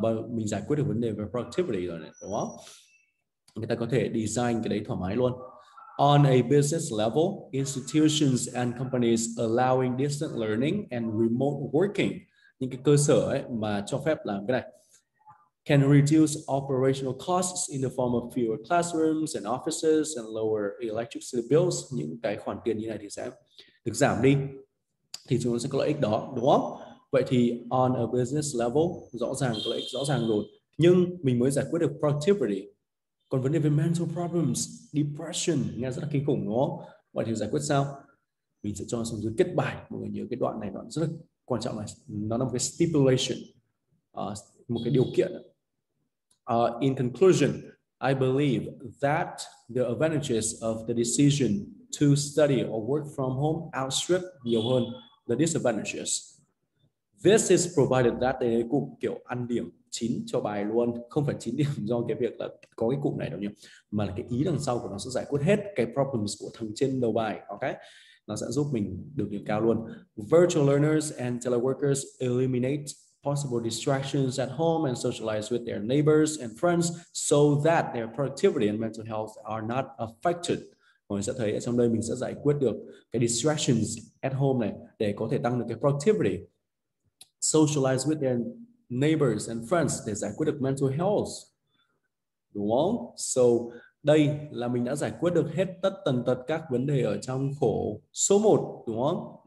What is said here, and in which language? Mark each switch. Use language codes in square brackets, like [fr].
[vi] Mình giải quyết được vấn đề về productivity rồi này, đúng không? Người ta có thể design cái đấy thoải mái luôn. [en] On a business level, institutions and companies allowing distant learning and remote working, [vi] những cái cơ sở ấy mà cho phép làm cái này, [en] can reduce operational costs in the form of fewer classrooms and offices and lower electricity bills. [vi] Những cái khoản tiền như này thì sẽ được giảm đi, thì chúng ta sẽ có lợi ích đó, đúng không? Vậy thì [en] on a business level, [vi] rõ ràng có lợi ích rõ ràng rồi. Nhưng mình mới giải quyết được productivity. Còn vấn đề về mental problems, depression, nghe rất là kinh khủng, đúng không? Vậy thì giải quyết sao? Mình sẽ cho xuống dưới kết bài. Mọi người nhớ cái đoạn này, đoạn rất là quan trọng này. Nó là một cái stipulation, một cái điều kiện. [en] In conclusion, I believe that the advantages of the decision to study or work from home outstrip [vi] nhiều hơn [en] the disadvantages. This is provided that they [vi] cụm kiểu ăn điểm 9 cho bài luôn, không phải 9 điểm do cái việc là có cái cụm này đâu nhỉ, mà là cái ý đằng sau của nó sẽ giải quyết hết cái problems của thằng trên đầu bài, ok? Nó sẽ giúp mình được điểm cao luôn. [en] Virtual learners and teleworkers eliminate possible distractions at home and socialize with their neighbors and friends so that their productivity and mental health are not affected. [vi] Mọi người sẽ thấy ở trong đây mình sẽ giải quyết được cái distractions at home này để có thể tăng được cái productivity. [en] Socialize with their neighbors and friends [vi] để giải quyết được [en] mental health. [vi] Đúng không? So, đây là mình đã giải quyết được hết tất tần tật các vấn đề ở trong khổ số 1, đúng không?